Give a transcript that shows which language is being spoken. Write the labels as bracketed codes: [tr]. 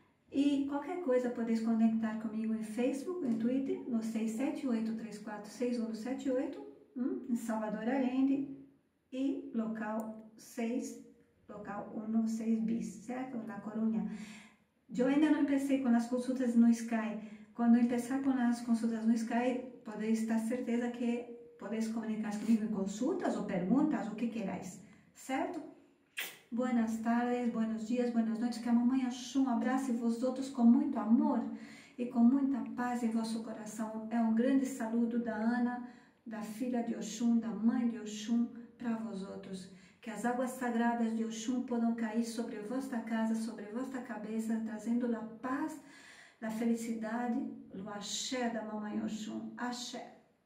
[pt] E qualquer coisa, podeis conectar comigo em Facebook, em Twitter, no 678-346178, em Salvador Allende, e local 6, local 16 bis, certo? Na Coruña. Eu ainda não pensei com as consultas no Sky. Quando eu começar com as consultas no Sky, podeis estar certeza que podeis comunicar comigo em consultas ou perguntas, o que queráis. Certo? [es] Buenas tardes, buenos días, buenas noches. [pt] Que a mamãe Oxum abrace vosotros com muito amor e com muita paz em vosso coração. É um grande saludo da Ana, da filha de Oxum, da mãe de Oxum, para vosotros. Que as águas sagradas de Oxum possam cair sobre vossa casa, sobre vossa cabeça, trazendo a paz, a felicidade, o axé da mamãe Oxum. Axé.